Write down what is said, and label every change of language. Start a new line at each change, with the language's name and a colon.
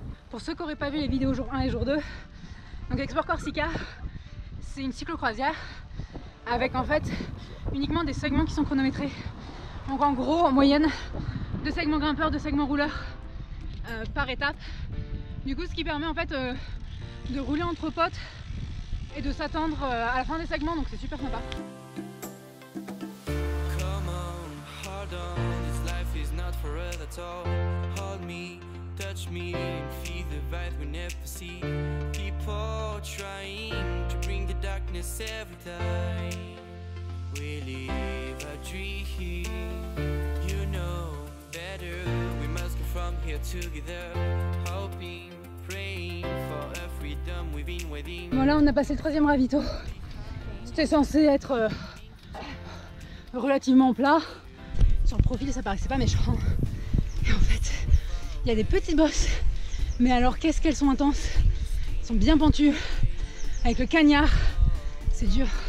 French: Pour ceux qui n'auraient pas vu les vidéos jour 1 et jour 2, donc Explore Corsica, c'est une cyclo-croisière avec en fait uniquement des segments qui sont chronométrés. Donc en gros, en moyenne, 2 segments grimpeurs, 2 segments rouleurs par étape. Du coup, ce qui permet en fait de rouler entre potes et de s'attendre à la fin des segments, donc c'est super sympa.
English: Come on, hold on, this life is not forever at all. Hold me. Touch me and feel the vibe we never see. People trying to bring the darkness every time. We live a dream. You know better. We must go from here together. Hoping, praying for a freedom we've been waiting.
French: Bon là on a passé le troisième ravito. C'était censé être relativement plat. Sur le profil ça paraissait pas méchant. Il y a des petites bosses, mais alors qu'est-ce qu'elles sont intenses. Elles sont bien pentues, avec le cagnard, c'est dur.